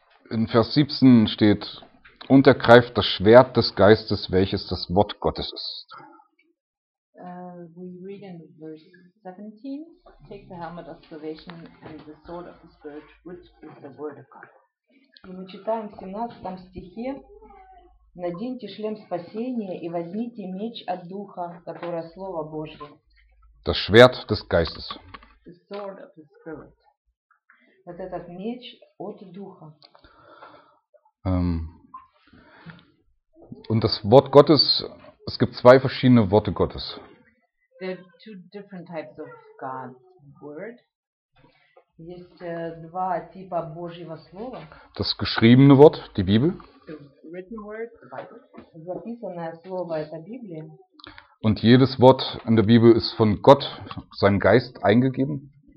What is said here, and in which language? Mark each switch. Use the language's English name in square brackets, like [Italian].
[German] In Vers 17 steht, und ergreift das Schwert des Geistes, welches das Wort Gottes ist. [English] We read in verse 17, take the helmet of salvation and the sword of the Spirit, which is the word of God. [Russian] И мы читаем в 17 стихе, наденьте шлем спасения и возьмите меч от Духа, которое Слово Божье. [German] Das Schwert des Geistes. [English] The sword of the Spirit. [Russian] Вот этот меч от Духа. [German] Und das Wort Gottes, es gibt zwei verschiedene Worte Gottes. [English] There are two different types of God's word. [Russian] Есть два типа Божьего слова. [German] Das geschriebene Wort, die Bibel. [English] The written word, the Bible. [Russian] Записанное слово, это Библия. [German] Und jedes Wort in der Bibel ist von Gott, seinem Geist, eingegeben.